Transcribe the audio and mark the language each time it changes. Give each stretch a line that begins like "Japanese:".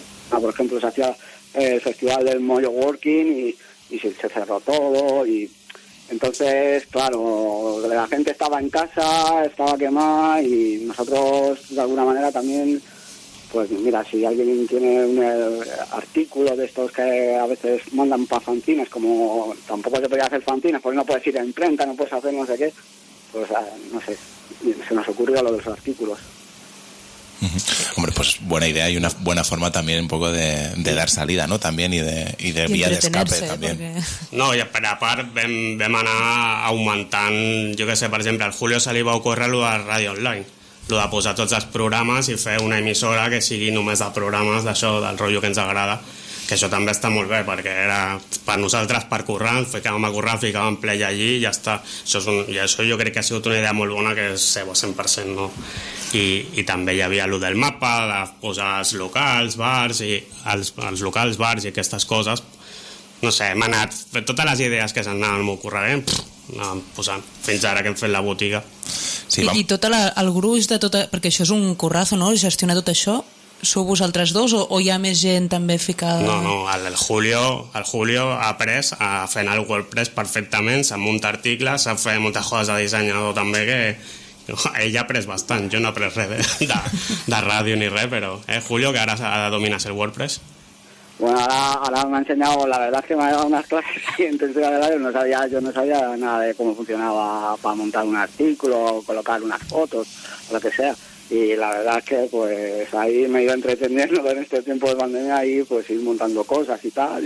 Spanish: por ejemplo, se hacía el festival del Mojo Working y se cerró todo, y entonces claro, la gente estaba en casa, estaba quemada, y nosotros de alguna manera también, pues mira, si alguien tiene un artículo de estos que a veces mandan para fanzines, como tampoco se podía hacer fanzines porque no puedes ir a imprenta, no puedes hacer no sé qué. Pues, no sé, se nos ocurre a lo de los artículos. Hombre, pues buena idea y una buena forma también un poco de dar salida, ¿no? También y de vía de escape también. Porque...
Catalan: No, i per a part vam anar augmentant, jo que sé, per exemple, al Julio se li va ocórrer lo de Ràdio Online, lo de posar tots els programes i fer una emissora que sigui només de programes d'això, del rotllo que ens agrada, que això també està molt bé, perquè era per nosaltres, per currar, ficàvem a currar, ficàvem play allí i ja està. Això és un, i això jo crec que ha sigut una idea molt bona, que és seva 100%, no? I també hi havia allò del mapa, de posar els locals, bars, i els locals, bars i aquestes coses. No sé, hem anat, totes les idees que s'han anat molt currarem, anàvem posant, fins ara que hem fet la botiga. Sí, i tot el gruix de tot, perquè això és un currazo, no?, gestionar tot això. Sou vosaltres dos o hi ha més gent també ficada? No, el Julio ha après a fer el WordPress perfectament, s'ha muntat articles, s'ha fet moltes coses de dissenyador també, que ell ha après bastant, jo no he après res de ràdio ni res, però, Julio, que ara domines el WordPress.
Spanish: Bueno, ahora me ha enseñado, la verdad es que me ha dado unas clases y entonces la verdad yo no sabía nada de cómo funcionaba para montar un artículo o colocar unas fotos o lo que sea. Y la verdad es que pues ahí me he ido entreteniendo en este tiempo de pandemia y pues ir montando cosas y tal.